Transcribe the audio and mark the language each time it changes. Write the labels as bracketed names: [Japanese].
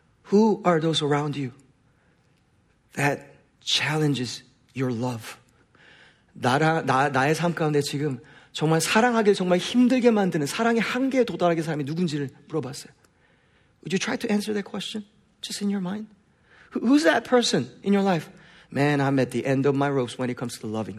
[English] Who are those around you that challenges your love? [Korean] 나의 삶 가운데 지금 정말 사랑하기를 정말 힘들게 만드는 사랑의 한계에 도달하게 사람이 누군지를 물어봤어요. [English] Would you try to answer that question just in your mind? Who's that person in your life? Man, I'm at the end of my ropes when it comes to loving.